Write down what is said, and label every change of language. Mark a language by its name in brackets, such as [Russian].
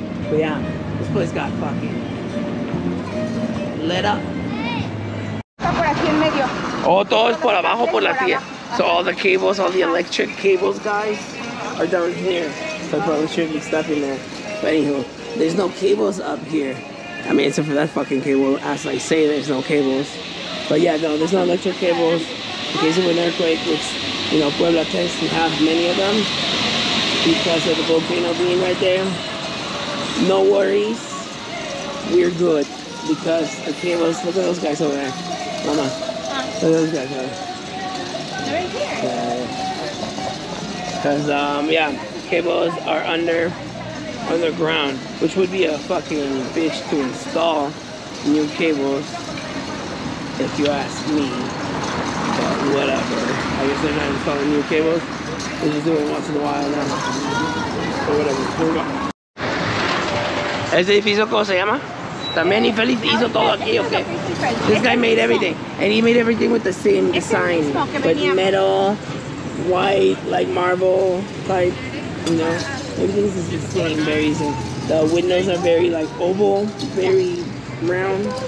[English] But yeah, this place got fucking lit up. [Spanish] Oh, todo es por abajo, por la tierra. [English] So all the cables, all the electric cables, guys, are down here. So probably should be stuff in there. But anywho, there's no cables up here. I mean, except for that fucking cable, as I say, there's no cables. But yeah, no, there's no electric cables. In case of an earthquake, which, you know, Puebla tends to have many of them because of the volcano being right there. No worries. We're good because the cables, look at those guys over there. Mama. Look at those guys over there. Because yeah, cables are underground, which would be a fucking bitch to install new cables if you ask me. But whatever, I guess they're not installing new cables, they're just doing it once in a while now. But whatever, here we go. [Spanish] Ese edificio, ¿cómo se llama? También y Feliz hizo todo aquí, okay. [English] This guy made everything, and he made everything with the same design, but metal, white, like marble, like, you know, everything is the same, very same. The windows are very, like, oval, very round.